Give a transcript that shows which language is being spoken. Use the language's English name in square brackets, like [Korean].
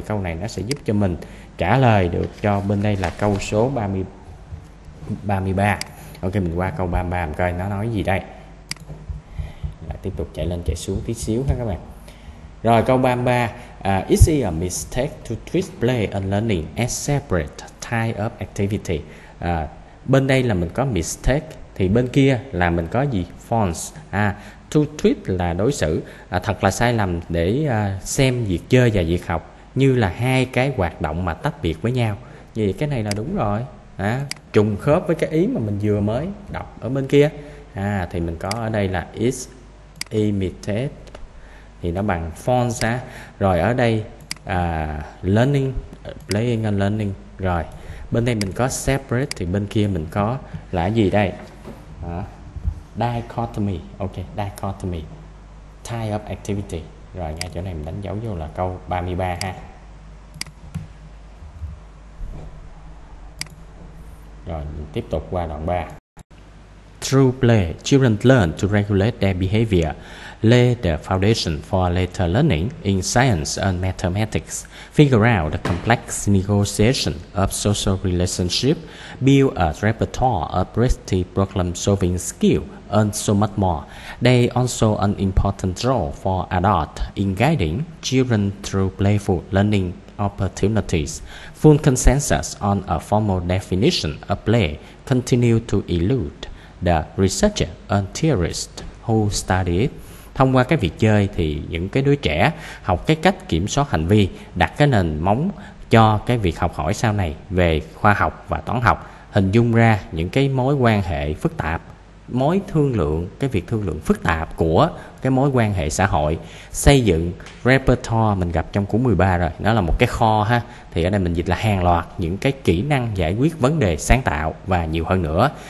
[Vietnamese] Thì câu này nó sẽ giúp cho mình trả lời được cho bên đây là câu số 33. Ok, mình qua câu 33 coi nó nói gì đây. Lại tiếp tục chạy lên chạy xuống tí xíu ha các bạn. Rồi câu 33: [English] It's a mistake to treat play and learning as separate type of activity. [Vietnamese] Bên đây là mình có mistake, thì bên kia là mình có gì? False. To treat là đối xử, thật là sai lầm để xem việc chơi và việc học như là hai cái hoạt động mà tách biệt với nhau. Như vậy cái này là đúng rồi. Trùng khớp với cái ý mà mình vừa mới đọc ở bên kia. Thì mình có ở đây là [English] is imitated, [Vietnamese] thì nó bằng false. Rồi ở đây [English] learning, playing and learning. [Vietnamese] Rồi bên đây mình có separate, thì bên kia mình có là gì đây? Dichotomy. Ok, dichotomy, [English] tie up activity. [Vietnamese] Rồi ngay chỗ này mình đánh dấu vô là câu 33 ha. Rồi mình tiếp tục qua đoạn 3. [English] Through play, children learn to regulate their behavior, lay the foundation for later learning in science and mathematics, figure out the complex negotiation of social relationship, build a repertoire of risky problem-solving skill, and so much more. They also an important role for adults in guiding children through playful learning opportunities. Full consensus on a formal definition of play continue to elude the researcher and theorist who study it. [Vietnamese] Thông qua cái việc chơi thì những cái đứa trẻ học cái cách kiểm soát hành vi, đặt cái nền móng cho cái việc học hỏi sau này về khoa học và toán học, hình dung ra những cái mối quan hệ phức tạp, mối thương lượng, cái việc thương lượng phức tạp của cái mối quan hệ xã hội, xây dựng repertoire, mình gặp trong cuốn 13 rồi, nó là một cái kho ha, thì ở đây mình dịch là hàng loạt những cái kỹ năng giải quyết vấn đề sáng tạo và nhiều hơn nữa.